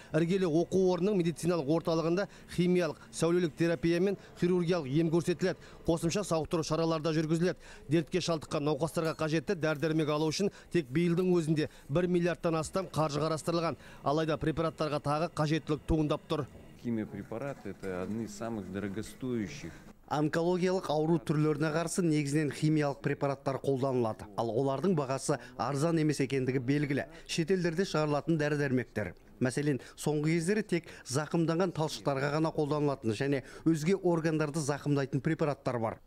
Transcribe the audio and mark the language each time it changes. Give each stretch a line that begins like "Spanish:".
Kazakh: Іргелі оқу орнының медициналық орталығында химиялық, сәулелік терапия мен хирургиялық ем көрсетіледі. Қосымша сауықтыру шаралары да жүргізіледі. Дертке шалдыққан науқастарға қажетті дәрі-дәрмек алу үшін тек биылдың өзінде 1 миллиардтан астам қаржы қарастырылған. Алайда препараттарға тағы қажеттілік туындап тұр.
Russian: Химиопрепараты – это одни из самых дорогостоящих.
Kazakh: Онкологиялық ауру түрлеріне қарсы негізінен химиялық препараттар қолданылады. Ал олардың бағасы арзан емес екендігі белгілі. Шетелдерде шығарылатын дәрі-дәрмектер. Мәселен, соңғы кездері тек зақымданған талшықтарға ғана қолданылатын, және өзге органдарды зақымдайтын препараттар бар.